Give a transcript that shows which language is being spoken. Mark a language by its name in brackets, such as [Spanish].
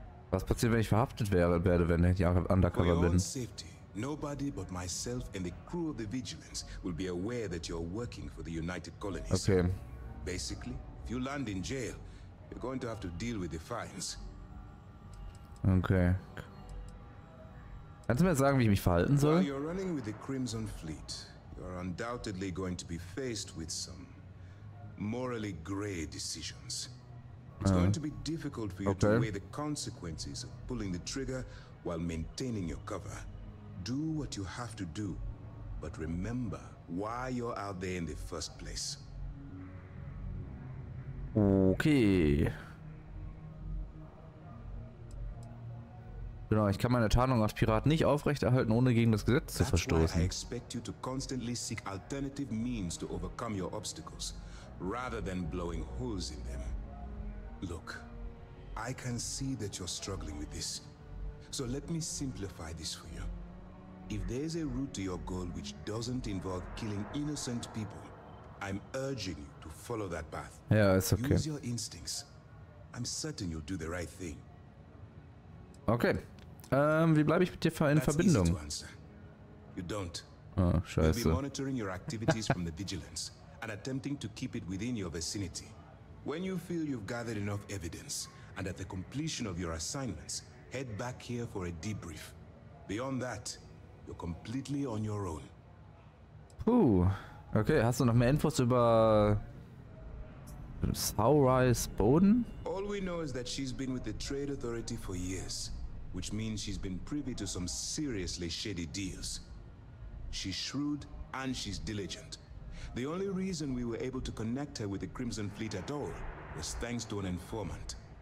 [German] Was passiert, wenn ich verhaftet werde, wenn ich undercover bin? [English] For your own safety, nobody but myself and the crew of the Vigilance will be aware that you're working for the United Colonies. Okay. Basically, if you land in jail, you're going to have to deal with the fines. Okay. [German] Kannst du mir sagen, wie ich mich verhalten soll? [English] You're running with the Crimson Fleet. are undoubtedly going to be faced with some morally gray decisions. It's going to be difficult for you to weigh the consequences of pulling the trigger while maintaining your cover. Do what you have to do, but remember why you're out there in the first place. Okay. [German] Genau, ich kann meine Tarnung als Pirat nicht aufrechterhalten, ohne gegen das Gesetz zu verstoßen. [English] I expect you to constantly seek alternative means to overcome your obstacles, rather than blowing holes in them. Look, I can see that you're struggling with this. So let me simplify this for you. If there's a route to your goal which doesn't involve killing innocent people, I'm urging you to follow that path. [German] Ja, ist okay. [English] Use your instincts. I'm certain you'll do the right thing. [German] Okay. Wie bleibe ich mit dir in Verbindung? [English] You don't. [German] Oh, scheiße. [English] You'll be monitoring your activities from the vigilance and attempting to keep it within your vicinity. When you feel you've gathered enough evidence and at the completion of your assignments, head back here for a debrief. Beyond that, you're completely on your own. Puh. [German] Okay, hast du noch mehr Infos über Saurais Boden? [English] All we know is that she's been with the Trade Authority for years, which means she's been privy to some seriously shady deals. She's shrewd and she's diligent. The only reason we were able to connect her with the Crimson Fleet at all was thanks to an informant.